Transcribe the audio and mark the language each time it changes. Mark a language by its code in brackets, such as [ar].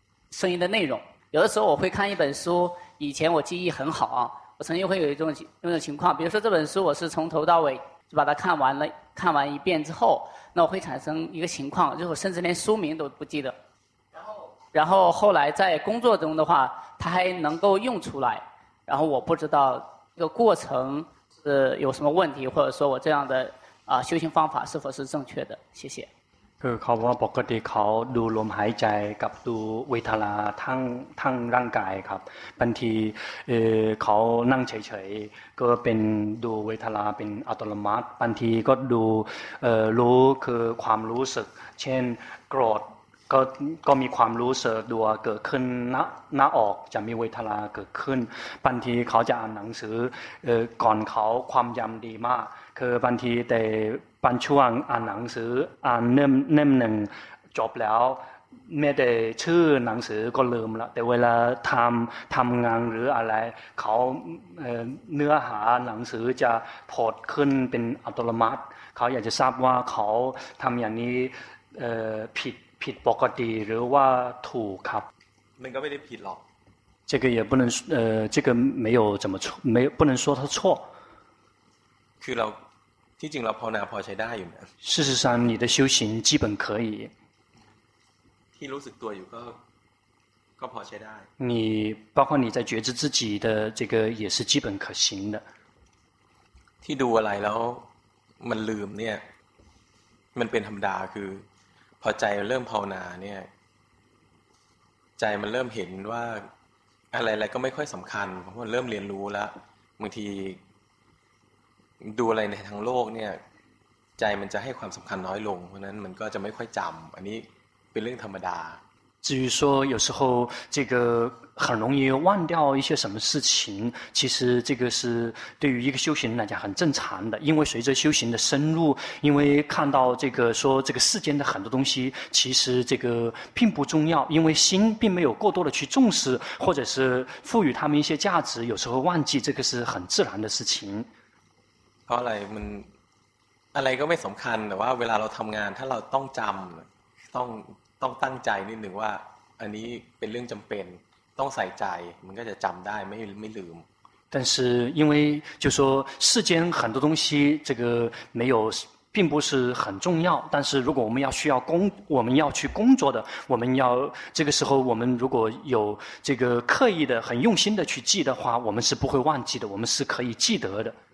[zh] 声音的内容有的时候我会看一本书以前我记忆很好啊我曾经会有一种情况比如说这本书我是从头到尾就把它看完了看完一遍之后那我会产生一个情况就是我甚至连书名都不记得然后后来在工作中的话它还能够用出来然后我不知道这个过程是有什么问题或者说我这样的修行方法是否是正确的谢谢 [th] คือเขาว่าปกติเขาดูลมหายใจกับดูเวทนาทั้งร่างกายครับบางทีเขานั่งเฉยๆก็เป็นดูเวทนาเป็นอัตโนมัติบางทีก็ดูรู้คือความรู้สึกเช่นโกรธ ก็มีความรู้สึกดัวเกิดขึ้นหน้าออกจะมีเวทนาเกิดขึ้นบางทีเขาจะอ่านหนังสือก่อนเขาความจำดีมากคือบางทีแต่บางช่วงอ่านหนังสืออ่านเล่มหนึ่งจบแล้วไม่ได้ชื่อหนังสือก็ลืมละแต่เวลาทำงานหรืออะไรเขา เนื้อหาหนังสือจะโผล่ขึ้นเป็นอัตโนมัติเขาอยากจะทราบว่าเขาทำอย่างนี้ผิดปกติหรือว่าถูกครับ มันก็ไม่ได้ผิดหรอก [zh] 这个也不能这个没有怎么错没不能说它错 [th] คือเราที่จริงเราภาวนาพอใช้ได้อยู่นะ [zh] 事实上你的修行基本可以 [th] ที่รู้สึกตัวอยู่ก็พอใช้ได้ [zh] 你包括你在觉知自己的这个也是基本可行的 [th] ที่ดูอะไรแล้วมันลืมเนี่ยมันเป็นธรรมดาคือพอใจเริ่มภาวนาเนี่ยใจมันเริ่มเห็นว่าอะไรๆก็ไม่ค่อยสำคัญเพราะมันเริ่มเรียนรู้แล้วบางทีดูอะไรในทั้งโลกเนี่ยใจมันจะให้ความสำคัญน้อยลงเพราะนั้นมันก็จะไม่ค่อยจำอันนี้เป็นเรื่องธรรมดา [zh] 至于说有时候这个很容易忘掉一些什么事情，其实这个是对于一个修行人来讲很正常的，因为随着修行的深入，因为看到这个说这个世间的很多东西其实这个并不重要，因为心并没有过多的去重视或者是赋予他们一些价值，有时候忘记这个是很自然的事情。后来我们 [th] อะไรก็ไม่สำคัญแต่ว่าเวลาเราทำงานถ้าเราต้องจำต้องตั้งใจนิดหนึ่งว่าอันนี้เป็นเรื่องจำเป็นต้องใส่ใจมันก็จะจำได้ไม่ลืม [zh] 但是因为就说世间很多东西这个没有并不是很重要，但是如果我们要需要工，我们要去工作的，我们要这个时候我们如果有这个刻意的很用心的去记的话，我们是不会忘记的，我们是可以记得的。